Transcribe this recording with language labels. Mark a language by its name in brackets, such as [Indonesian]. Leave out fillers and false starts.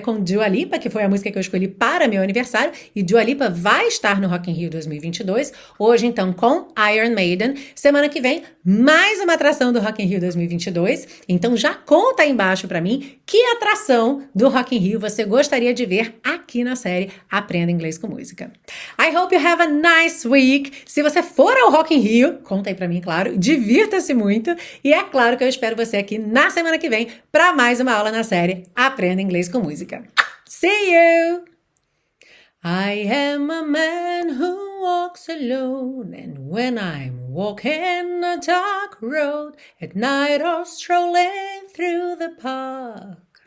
[Portuguese] Com Dua Lipa, que foi a música que eu escolhi para meu aniversário. E Dua Lipa vai estar no Rock in Rio 2022. Hoje, então, com Iron Maiden. Semana que vem, mais uma atração do Rock in Rio 2022. Então, já conta aí embaixo para mim que atração do Rock in Rio você gostaria de ver aqui na série Aprenda Inglês com Música. [English] I hope you have a nice week. [Portuguese] Se você for ao Rock in Rio, conta aí pra mim, claro. Divirta-se muito. E é claro que eu espero você aqui na semana que vem para mais uma aula na série Aprenda Inglês com Música. [English] See you! I am a man who walks alone. And when I'm walking a dark road, at night or strolling through the park.